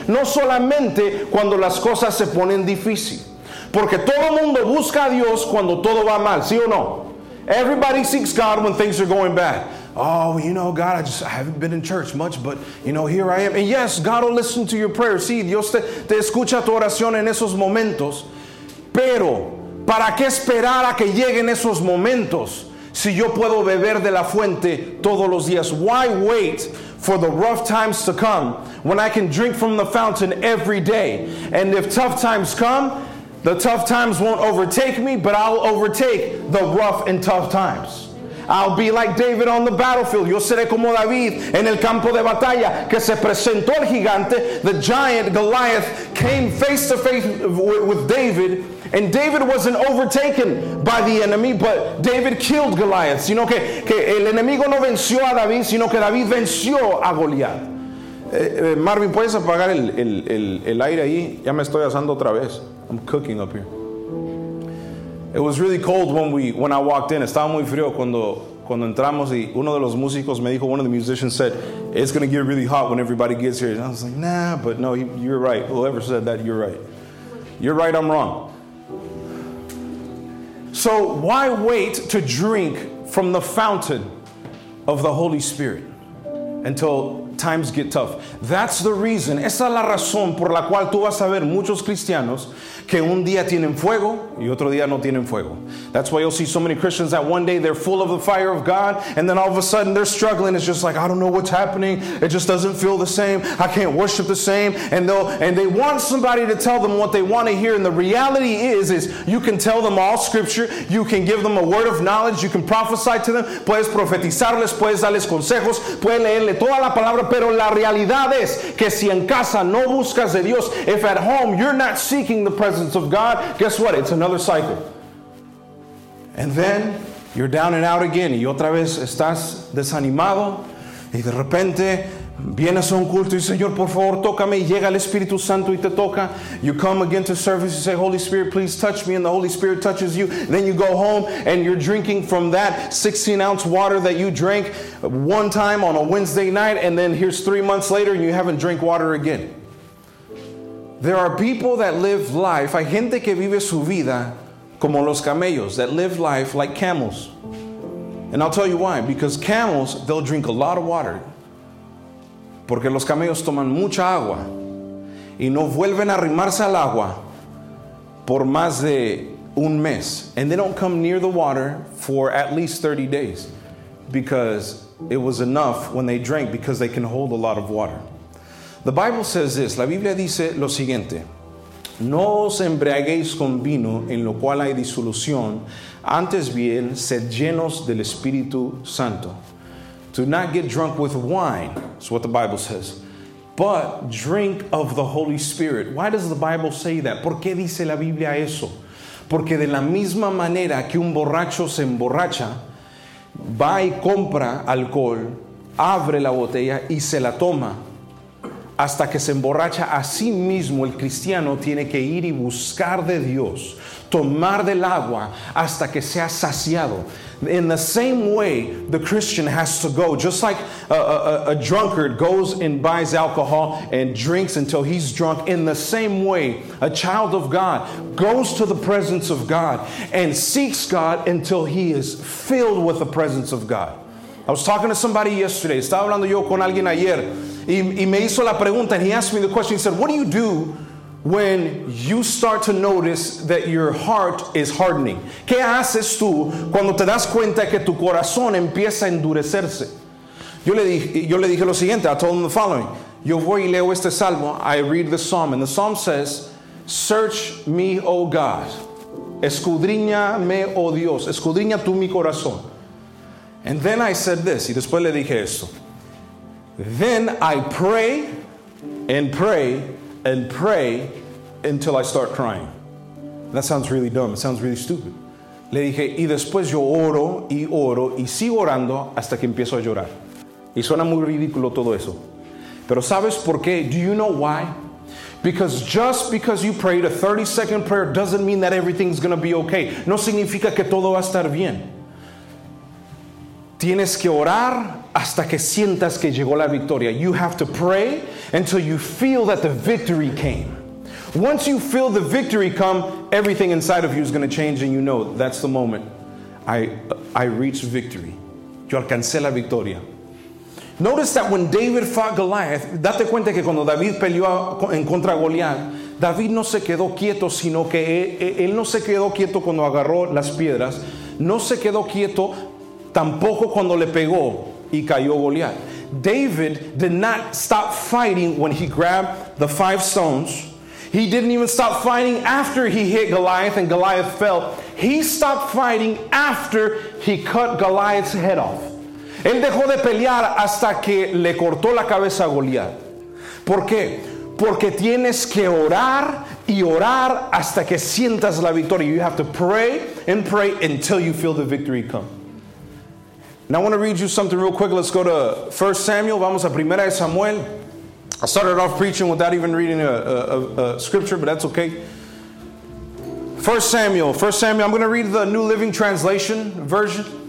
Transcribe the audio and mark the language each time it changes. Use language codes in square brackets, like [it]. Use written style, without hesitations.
[es] No solamente cuando las cosas se ponen difícil. Porque todo mundo busca a Dios cuando todo va mal, ¿sí o no? [en] Everybody seeks God when things are going bad. Oh, you know, God, I haven't been in church much, but, you know, here I am. And yes, God will listen to your prayer. [es] Sí, Dios te escucha tu oración en esos momentos. Pero, ¿para qué esperar a que lleguen esos momentos si yo puedo beber de la fuente todos los días? [en] Why wait for the rough times to come when I can drink from the fountain every day? And if tough times come, the tough times won't overtake me, but I'll overtake the rough and tough times. I'll be like David on the battlefield. [es] Yo seré como David en el campo de batalla que se presentó el gigante. [en] The giant Goliath came face to face with David. And David wasn't overtaken by the enemy, but David killed Goliath. [es] Sino que el enemigo no venció a David, sino que David venció a Goliath. Marvin, ¿puedes apagar el aire ahí? Ya me estoy asando otra vez. [en] I'm cooking up here. It was really cold when I walked in. [es] Estaba muy frío cuando entramos y uno de los músicos me dijo, [en] one of the musicians said, it's going to get really hot when everybody gets here. And I was like, nah, but no, you're right. Whoever said that, you're right. You're right, I'm wrong. So why wait to drink from the fountain of the Holy Spirit until times get tough. That's the reason. [es] Esa es la razón por la cual tú vas a ver muchos cristianos que un día tienen fuego y otro día no tienen fuego. [en] That's why you'll see so many Christians that one day they're full of the fire of God and then all of a sudden they're struggling. It's just like, I don't know what's happening. It just doesn't feel the same. I can't worship the same. And they want somebody to tell them what they want to hear. And the reality is you can tell them all scripture. You can give them a word of knowledge. You can prophesy to them. [es] Puedes profetizarles. Puedes darles consejos. Puedes leerle toda la palabra. Pero la realidad es que si en casa no buscas de Dios, [en] if at home you're not seeking the presence of God, guess what? It's another cycle. And then you're down and out again. [es] Y otra vez estás desanimado. Y de repente vienes a un culto y dices, Señor, por favor, tócame. Y llega el Espíritu Santo y te toca. [en] You come again to service. You say, Holy Spirit, please touch me. And the Holy Spirit touches you. Then you go home and you're drinking from that 16-ounce water that you drank one time on a Wednesday night. And then here's 3 months later and you haven't drank water again. There are people that live life. [es] Hay gente que vive su vida como los camellos, [en] that live life like camels. And I'll tell you why. Because camels, they'll drink a lot of water. [es] Porque los camellos toman mucha agua y no vuelven a arrimarse al agua por más de un mes. [en] And they don't come near the water for at least 30 days because it was enough when they drank because they can hold a lot of water. The Bible says this. [es] La Biblia dice lo siguiente. No os embriaguéis con vino en lo cual hay disolución. Antes bien, sed llenos del Espíritu Santo. [en] Do not get drunk with wine. That's what the Bible says. But drink of the Holy Spirit. Why does the Bible say that? [es] ¿Por qué dice la Biblia eso? Porque de la misma manera que un borracho se emborracha, va y compra alcohol, abre la botella y se la toma. Hasta que se emborracha a sí mismo, el cristiano tiene que ir y buscar de Dios, tomar del agua hasta que sea saciado. [en] In the same way, the Christian has to go, just like a drunkard goes and buys alcohol and drinks until he's drunk. In the same way, a child of God goes to the presence of God and seeks God until he is filled with the presence of God. I was talking to somebody yesterday. [es] Estaba hablando yo con alguien ayer. Y me hizo la pregunta. [en] And he asked me the question. He said, what do you do when you start to notice that your heart is hardening? [es] ¿Qué haces tú cuando te das cuenta que tu corazón empieza a endurecerse? Yo le dije lo siguiente. [en] I told him the following. [es] Yo voy y leo este salmo. [en] I read the psalm. And the psalm says, search me, oh God. [es] Escudriñame, oh Dios. Escudriña tú mi corazón. [en] And then I said this, [es] y después le dije esto. [en] Then I pray and pray and pray until I start crying. That sounds really dumb. It sounds really stupid. [es] Le dije, y después yo oro y oro y sigo orando hasta que empiezo a llorar. Y suena muy ridículo todo eso. Pero ¿sabes por qué? [en] Do you know why? Because just because you prayed a 30-second prayer doesn't mean that everything's going to be okay. [es] No significa que todo va a estar bien. Tienes que orar hasta que sientas que llegó la victoria. [en] You have to pray until you feel that the victory came. Once you feel the victory come, everything inside of you is going to change and you know that's the moment. I reached victory. [es] Yo alcancé la victoria. [en] Notice that when David fought Goliath, [es] date cuenta que cuando David peleó en contra de Goliath, David no se quedó quieto, sino que él no se quedó quieto cuando agarró las piedras. No se quedó quieto tampoco cuando le pegó y cayó Goliat. [en] David did not stop fighting when he grabbed the 5 stones. He didn't even stop fighting after he hit Goliath and Goliath fell. He stopped fighting after he cut Goliath's head off. [es] Él dejó de pelear hasta que le cortó la cabeza a Goliat. ¿Por qué? Porque tienes que orar y orar hasta que sientas la victoria. [en] You have to pray and pray until you feel the victory come. Now I want to read you something real quick. Let's go to 1 Samuel. [es] Vamos a Primera de Samuel. [en] I started off preaching without even reading a scripture, but that's okay. 1 Samuel. I'm going to read the New Living Translation version.